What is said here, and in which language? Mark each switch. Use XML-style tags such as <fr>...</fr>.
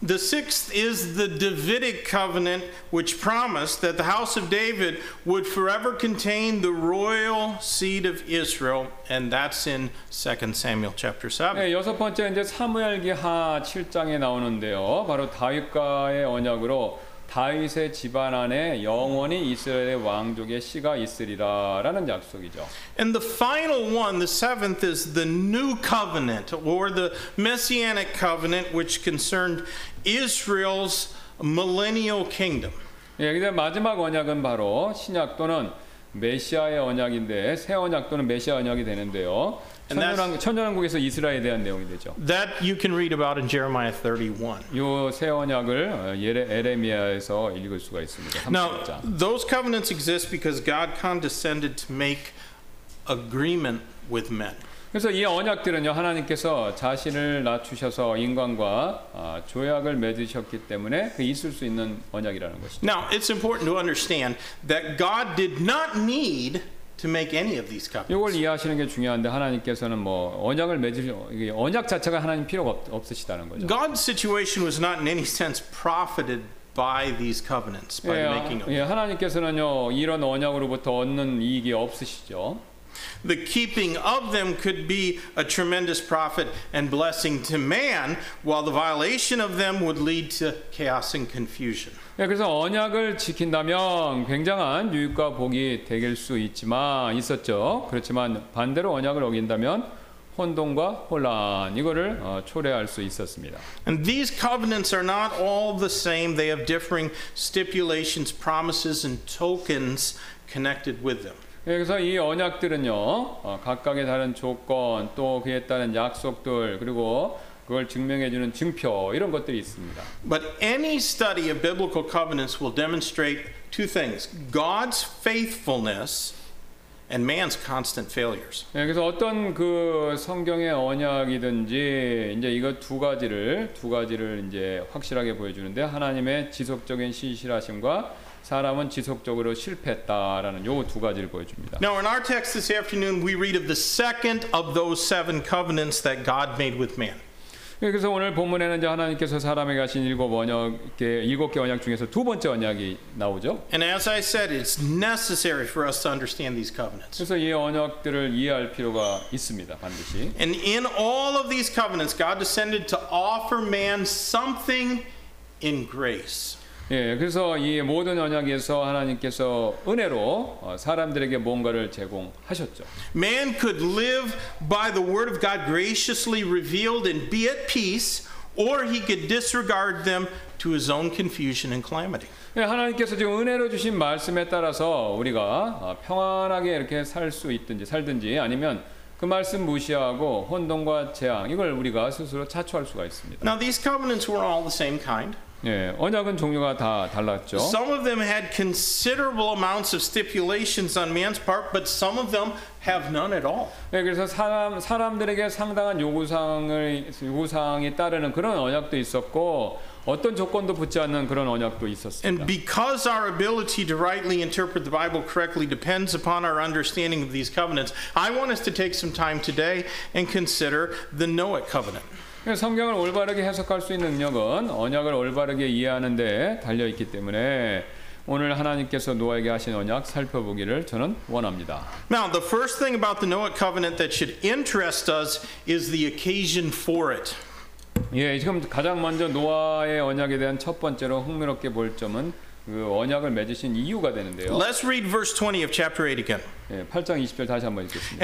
<en>The sixth is the Davidic covenant which promised that the house of David would forever contain the royal seed of Israel and that's in 2 Samuel chapter 7.</en> <ko>네, 여섯 번째는 이제 사무엘기하 7장에 나오는데요. 바로 다윗과의 언약으로 다윗의 집안 안에 영원히 이스라엘의 왕족의 씨가 있으리라라는 약속이죠.</ko> <en>And the final one, the seventh, is the new covenant or the messianic covenant, which concerned Israel's millennial kingdom.</en> <ko>예, 이제 마지막 언약은 바로 신약 또는 메시아의 언약인데 새 언약 또는 메시아 언약이 되는데요. 천년왕국에서 이스라엘에 대한 내용이 되죠.</ko> <en>That you can read about in Jeremiah 31.</en> <ko>요 새 언약을 예레미야에서 읽을 수가 있습니다. 31장.</ko> <en>Now those covenants exist because God condescended to make agreement with men.</en> <ko>그래서 이 언약들은요 하나님께서 자신을 낮추셔서 인간과 조약을 맺으셨기 때문에 그 있을 수 있는 언약이라는 것이죠.</ko> <en>Now it's important to understand that God did not need to make any of these covenants.</en> <ko>이걸 이해하시는 게 중요한데 하나님께서는 뭐 언약을 맺을 언약 자체가 하나님 필요가 없으시다는 거죠.</ko> <en>God's situation was not in any sense profited by these covenants by making them.</en> <ko>예, 하나님께서는요 이런 언약으로부터 얻는 이익이 없으시죠.</ko> <en>The keeping of them could be a tremendous profit and blessing to man, while the violation of them would lead to chaos and confusion.</en> <ko>예, 그래서 언약을 지킨다면 굉장한 유익과 복이 되길 수 있지만 있었죠. 그렇지만 반대로 언약을 어긴다면 혼동과 혼란 이거를 초래할 수 있었습니다.</ko> <en>And these covenants are not all the same. They have differing stipulations, promises, and tokens connected with them.</en> <ko>예, 그래서 이 언약들은요 각각의 다른 조건 또 그에 따른 약속들 그리고 그걸 증명해주는 증표 이런 것들이 있습니다.</ko> <en>But any study of biblical covenants will demonstrate two things: God's faithfulness and man's constant failures.</en> <ko>예, 그래서 어떤 그 성경의 언약이든지 이제 이거 두 가지를 이제 확실하게 보여주는데 하나님의 지속적인 신실하심과 사람은 지속적으로 실패했다라는 요 두 가지를 보여줍니다.</ko> <en>Now in our text this afternoon we read of the second of those seven covenants that God made with man.</en> <ko>그래서 오늘 본문에는 이제 하나님께서 사람에게 하신 일곱 개 언약 중에서 두 번째 언약이 나오죠.</ko> <en>And as I said, it's necessary for us to understand these covenants.</en> <ko>그래서 이 언약들을 이해할 필요가 있습니다, 반드시.</ko> <en>And in all of these covenants, God descended to offer man something in grace.</en> <ko>예, 그래서 이 모든 언약에서 하나님께서 은혜로 사람들에게 뭔가를 제공하셨죠.</ko> <en>Man could live by the word of God graciously revealed and be at peace, or he could disregard them to his own confusion and calamity.</en> <ko>예, 하나님께서 지금 은혜로 주신 말씀에 따라서 우리가 평안하게 이렇게 살 수 있든지 살든지 아니면 그 말씀 무시하고 혼돈과 재앙 이걸 우리가 스스로 자초할 수가 있습니다.</ko> <en>Now these covenants were all the same kind.</en> <ko>예, 언약은 종류가 다 달랐죠.</ko> <en>Some of them had considerable amounts of stipulations on man's part, but some of them have none at all.</en> <ko>예, 그래서 사람들에게 상당한 요구사항이 따르는 그런 언약도 있었고 어떤 조건도 붙지 않는 그런 언약도 있었습니다.</ko> <en>And because our ability to rightly interpret the Bible correctly depends upon our understanding of these covenants, I want us to take some time today and consider the Noah covenant.</en> <ko>성경을 올바르게 해석할 수 있는 능력은 언약을 올바르게 이해하는 데 달려 있기 때문에 오늘 하나님께서 노아에게 하신 언약 살펴보기를 저는 원합니다.</ko> <en>Now the first thing about the Noah covenant that should interest us is the occasion for it.</en> <ko>예, 지금 가장 먼저 노아의 언약에 대한 첫 번째로 흥미롭게 볼 점은 그 언약을 맺으신 이유가 되는데요.</ko> <en>Let's read verse 20 of chapter 8 again.</en> <ko>예, 8장 20절 다시 한번 읽겠습니다.</ko>